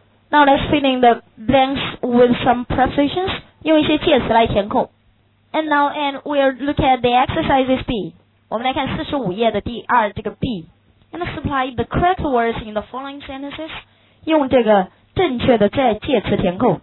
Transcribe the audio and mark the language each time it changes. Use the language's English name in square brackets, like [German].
[English] Now let's fill in the blanks with some prepositions. [Chinese] 用一些介词来填空。 [English] And we'll look at the exercises B. [Chinese] 我们来看45页的第二这个 B. [English] And supply the correct words in the following sentences. [Chinese] 用这个正确的在介词填空。